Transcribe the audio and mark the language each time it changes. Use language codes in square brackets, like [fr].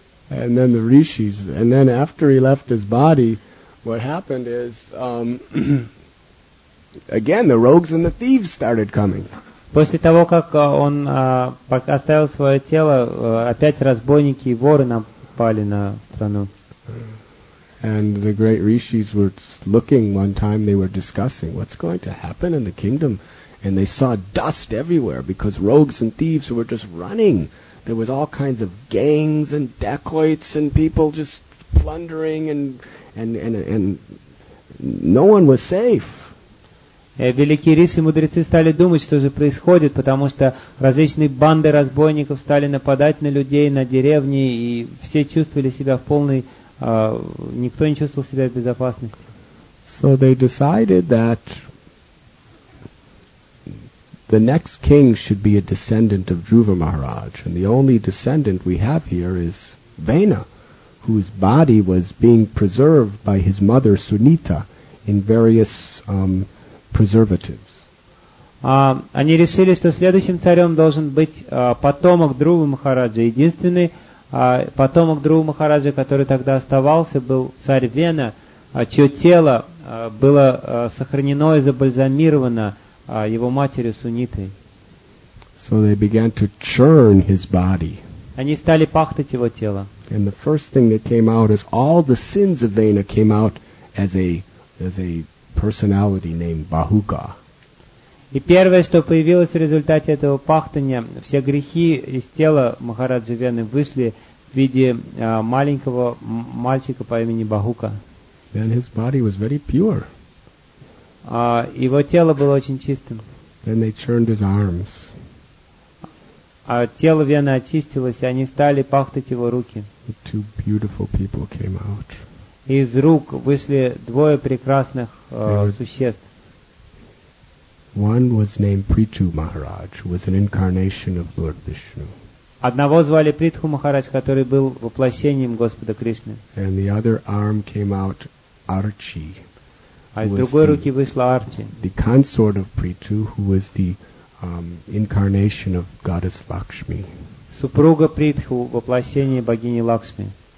[en] And then the rishis, and then after he left his body, what happened is, again, the rogues and the thieves started coming. [ru] После того, как он оставил свое тело, опять разбойники и воры напали на страну. [en] And the great rishis were looking one time, they were discussing what's going to happen in the kingdom. And they saw dust everywhere because rogues and thieves were just running. There was all kinds of gangs and dacoits and people just plundering and no one was safe. [ru] Великие риши и мудрецы стали думать, что же происходит, потому что различные банды разбойников стали нападать на людей, на деревни, и все чувствовали себя в полной... никто не чувствовал себя в безопасности. [en] So they decided that the next king should be a descendant of Dhruva Maharaj, and the only descendant we have here is Vena, whose body was being preserved by his mother Sunita in various... preservatives. [ru] Они решили, что следующим царем должен быть потомок Друвы Махараджа. Единственный потомок Друвы Махараджа, который тогда оставался, был царь Вена, чье тело было сохранено и забальзамировано его матерью Сунитой. [en] So they began to churn his body. [ru] Они стали пахтать его тело. [en] And the first thing that came out is all the sins of Vena came out as a personality named Bahuka. [ru] И первое, что появилось в результате этого пахтания, все грехи из тела Махараджи Вены вышли в виде маленького мальчика по имени Бахука. [en] Then his body was very pure. [ru] Его тело было очень чистым. [en] Then they churned his arms. [ru] Тело Вены очистилось, и они стали пахтать его руки. [en] The two beautiful people came out. [ru] Из рук вышли двое прекрасных существ. [en] One was named Prithu Maharaj, who was an incarnation of Lord Vishnu. [ru] Одного звали Притху Махарадж, который был воплощением Господа Кришны. [en] And the other arm came out Archi. [ru] А из другой руки вышла Арчи. [en] The consort of Prithu, who was the incarnation of Goddess Lakshmi. [ru] Супруга Притху, воплощение богини Лакшми.